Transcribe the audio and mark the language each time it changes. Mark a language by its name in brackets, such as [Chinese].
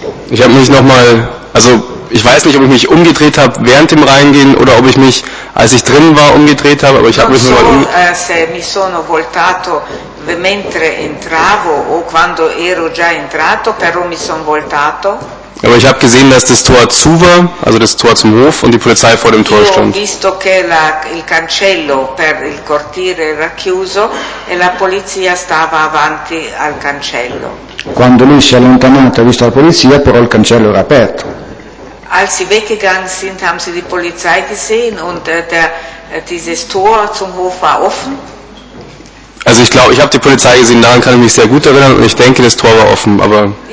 [German] Ich habe mich nochmal, also ich weiß nicht, ob ich mich umgedreht habe während dem Reingehen oder ob ich mich, als ich drin war, umgedreht habe, aber ich habe mich nochmal umgedreht. [Italian] Mentre entravo o quando ero già entrato, però mi sono voltato. [German] Aber ich habe gesehen, dass das Tor zu war, also das Tor zum Hof, und die Polizei vor dem Tor stand. [Italian] Ho visto che il cancello per il cortile era chiuso e la polizia stava avanti al cancello. Quando lui si è allontanato, ha visto la polizia, però il cancello era aperto. [German] Als sie weggegangen sind, haben sie die Polizei gesehen und dieses Tor zum Hof war offen. Also ich glaube, ich habe die Polizei gesehen, daran kann ich mich sehr gut erinnern und ich denke, das Tor war offen, aber...